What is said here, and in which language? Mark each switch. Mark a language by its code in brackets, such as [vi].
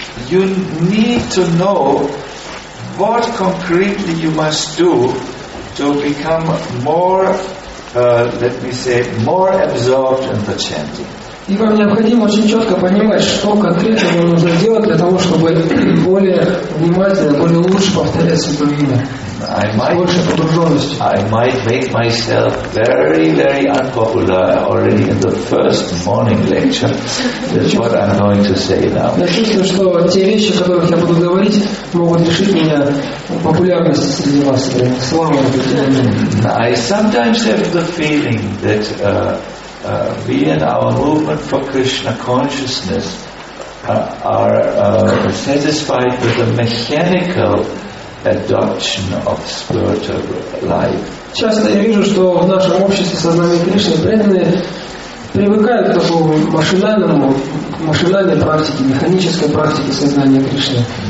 [en] You need to know what concretely you must do to become more, let me say, more absorbed in the chanting. [ru] И вам необходимо очень четко понимать, что конкретно вам нужно делать для того, чтобы более внимательно, более лучше повторять святое имя, с большей погруженностью. [en] I might make myself very, very unpopular already in the first morning lecture. That's what I'm going to say now. [ru] Я чувствую, что те вещи, о которых я буду говорить, могут лишить меня популярности среди вас. Слава Богу. [en] I sometimes have the feeling that we and our movement for Krishna consciousness are satisfied with the mechanical adoption of spiritual life. [ru] Часто я вижу, что в нашем обществе сознание Кришны преданные привыкают к такому машинальному, машинальной практике, механической практике сознания Кришны.